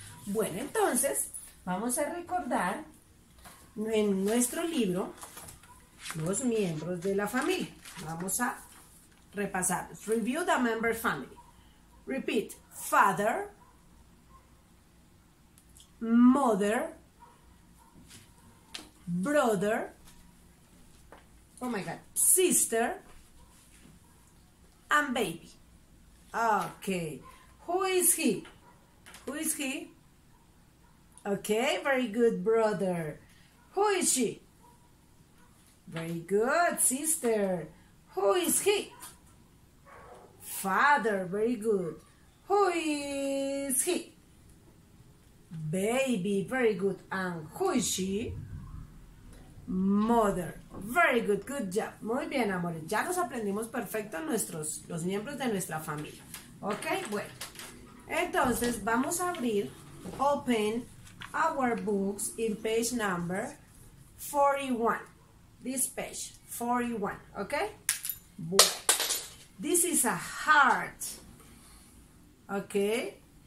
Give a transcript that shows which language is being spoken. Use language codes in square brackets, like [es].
[es] Bueno, entonces, vamos a recordar en nuestro libro los miembros de la familia. Vamos a repasar. [en] Review the member family. Repeat. Father. Mother. Brother. Oh my God. Sister. And baby. Okay. Who is he? Who is he? Okay. Very good, brother. Who is she? Very good, sister. Who is he? Father, very good. Who is he? Baby, very good. And who is she? Mother, very good, good job. [es] Muy bien, amores. Ya nos aprendimos perfecto los miembros de nuestra familia. [en] Ok, [es] bueno. Entonces, vamos a abrir, [en] open our books in page number 41. This page, 41, okay? Boy, this is a heart, okay?